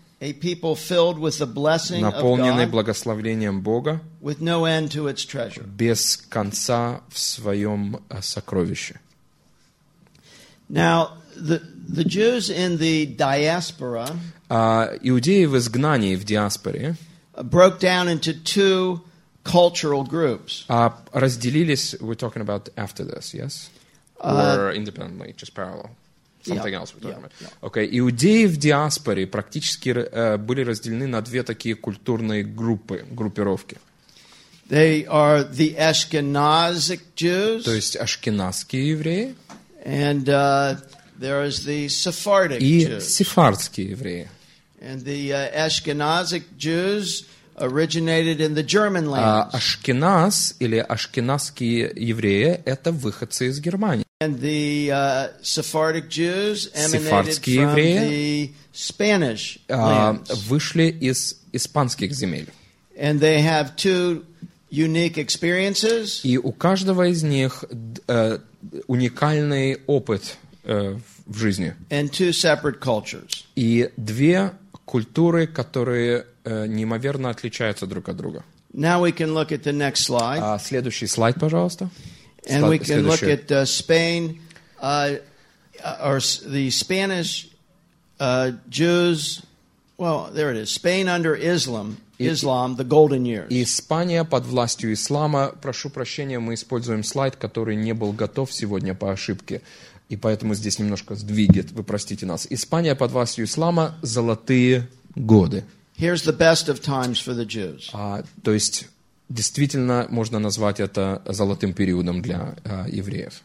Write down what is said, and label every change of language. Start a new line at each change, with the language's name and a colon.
English: A people filled with the blessing of God.
Russian: Наполненные благословением Бога.
English: With no end to its treasure.
Russian: Без конца в своем сокровище.
English: Now, the Jews in the diaspora.
Russian: Иудеи в изгнании, в диаспоре.
English: Broke down into two cultural groups.
Russian: Разделились,
English: we're talking about after this, yes? Or independently, just parallel. Something else we're talking about.
Russian: Okay, иудеи в диаспоре практически были разделены на две такие культурные группы, группировки.
English: They are the Ashkenazic Jews.
Russian: То есть ашкеназские евреи.
English: And there is the Sephardic
Russian: и
English: Jews.
Russian: И сефардские евреи.
English: And the Ashkenazic Jews originated in the German lands.
Russian: Ашкеназ или ашкеназские евреи – это выходцы из Германии.
English: And the Sephardic Jews emanated from the Spanish lands.
Russian: Вышли из испанских земель.
English: And they have two unique experiences.
Russian: И у каждого из них уникальный опыт в жизни.
English: And two separate cultures.
Russian: И две культуры, которые неимоверно отличаются друг от друга.
English: Now we can look at the next slide.
Russian: Следующий слайд, пожалуйста.
English: And we can look at Spain, or the Spanish Jews. Well, there it is. Spain under Islam. Islam, the golden years.
Russian: Испания под властью ислама. Прошу прощения, мы используем слайд, который не был готов сегодня по ошибке. И поэтому здесь немножко сдвигает. Вы простите нас. Испания под властью ислама. Золотые годы.
English: Here's the best of times for the Jews.
Russian: То есть, действительно, можно назвать это золотым периодом для евреев.